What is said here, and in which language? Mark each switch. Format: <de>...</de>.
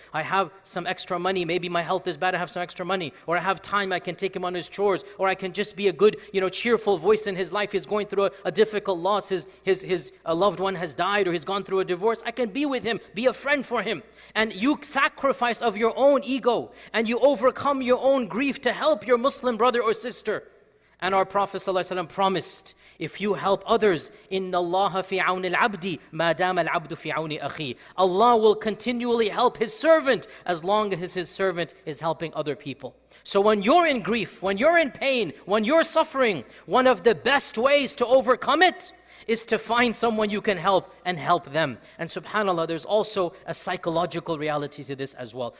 <en>I have some extra money, maybe my health is bad, I have some extra money, or I have time, I can take him on his chores, or I can just be a good, you know, cheerful voice in his life. He's going through a difficult loss, his loved one has died, or he's gone through a divorce. I can be with him, be a friend for him. And you sacrifice of your own ego, and you overcome your own grief to help your Muslim brother or sister. And our Prophet ﷺ promised, if you help others,</en> <ar>إِنَّ اللَّهَ فِي عَوْنِ الْعَبْدِ مَا دَامَ الْعَبْدُ فِي عَوْنِ أَخِيهِ.</ar> <en>Allah will continually help His servant as long as His servant is helping other people. So when you're in grief, when you're in pain, when you're suffering, one of the best ways to overcome it is to find someone you can help and help them. And subhanAllah, there's also a psychological reality to this as well.</en>